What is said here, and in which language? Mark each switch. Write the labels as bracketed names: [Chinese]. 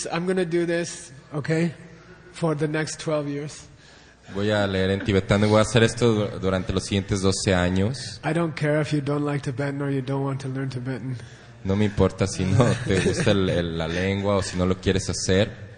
[English] I'm going to do this, okay, for the next 12 years. [Spanish] Voy a leer en tibetano. Voy a hacer esto durante los siguientes 12 años. [English] I don't care if you don't like Tibetan or you don't want to learn Tibetan. [Spanish] No me importa si no te gusta la lengua o si no lo quieres hacer.